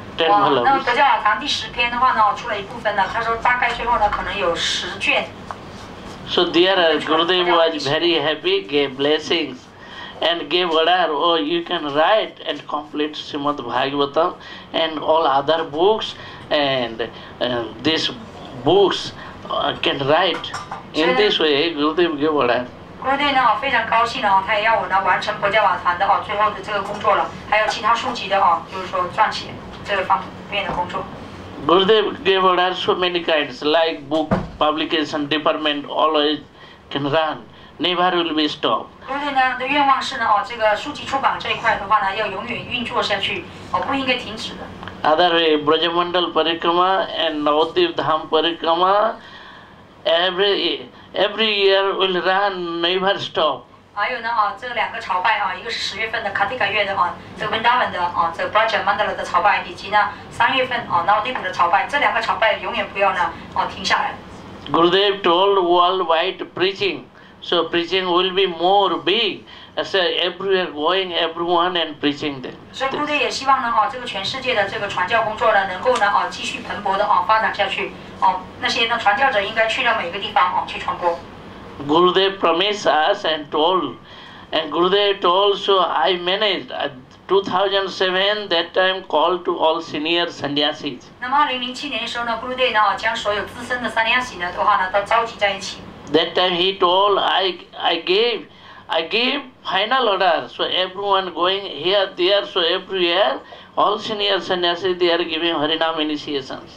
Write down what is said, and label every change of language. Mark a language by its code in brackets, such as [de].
[zh] 那么《博伽瓦唐》第十篇的话呢，出了一部分呢。他说大概最后呢，可能有十卷。 So there, Gurudev was very happy, gave blessings, and gave order. [en] Oh, you can write and complete Srimad Bhagavatam and all other books, and these books can write in this way. Gurudev gave order. [zh] 郭队呢非常高兴呢，他也要我呢完成博伽瓦唐的最后的这个工作了，还有其他书籍的就是说撰写这个方面的工作。 [en] Gurudev gave order so many kinds, like book publication department always can run, never will be stopped. [zh] 郭队呢的愿望是呢这个书籍出版这一块的话呢要永远运作下去，不应该停止的。 [en] Other way, Brajamandal Parikrama and Navadvip Dham Parikrama, Every year will run, never stop. [zh] 还有呢这两个朝拜一个是十月份的卡蒂卡月的这个温达文的这个 Brajamandala 的朝拜，以及呢三月份Navadvipa的朝拜，这两个朝拜永远不要呢停下来。 [en] Gurudev told worldwide preaching, so preaching will be more big. So everywhere going, everyone and preaching them. [zh] 所以Gurudev也希望呢这个全世界的这个传教工作呢能够呢继续蓬勃的发展下去。那些呢传教者应该去到每个地方去传播。 [en] Gurudev promised us and told, and Gurudev told, so I managed. 2007 that time called to all senior sannyasis. [zh] 那么2007年的时候呢，Gurudev呢将所有资深的sannyasi呢的话呢都召集在一起。 [en] That time he told I gave final order, so everyone going here, there, so everywhere, all senior sannyasi, they are giving Harinam initiations.